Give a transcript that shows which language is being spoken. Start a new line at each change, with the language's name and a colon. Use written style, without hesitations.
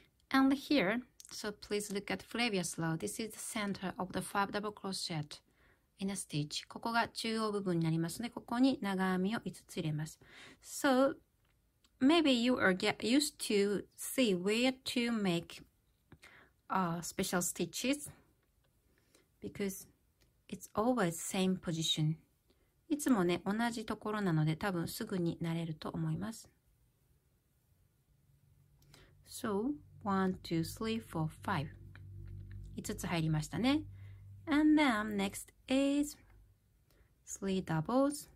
English: And here, so please look at previous row. This is the center of the five double crochet in a stitch.
Japanese: ここが中央部分になりますので、ここに長編みを5つ入れます。
English: So, maybe you are get used to see where to make special stitches because it's always same position.
Japanese: いつもね、同じところなので、多分すぐに慣れると思います。
English: So, 1, 2, 3, 4, 5.
Japanese: 5つ入りましたね。
English: And then, next is 3 doubles.